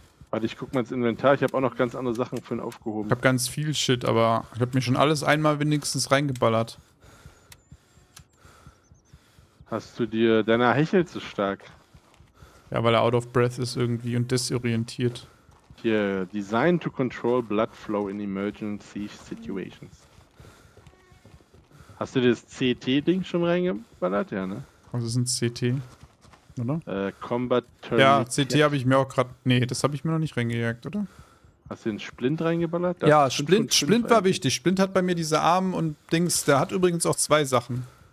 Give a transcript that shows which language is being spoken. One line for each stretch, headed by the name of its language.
German: Warte, ich guck mal ins Inventar. Ich habe auch noch ganz andere Sachen für ihn aufgehoben. Ich habe ganz viel Shit, aber ich habe mir schon alles einmal wenigstens reingeballert. Hast du dir deiner Hechel zu stark? Ja, weil er
English: out of breath
German: ist irgendwie und desorientiert.
English: Hier, designed to control blood flow in emergency situations.
German: Hast du dir das CT-Ding schon reingeballert? Ja, ne? Was ist ein CT? Oder?
English: Combat Turn.
German: Ja, CT habe ich mir auch gerade. Nee, das habe ich mir noch nicht reingejagt, oder? Hast du den Splint reingeballert? Ja, Splint war wichtig. Splint hat bei mir diese Arme und Dings. Der hat übrigens auch zwei Sachen.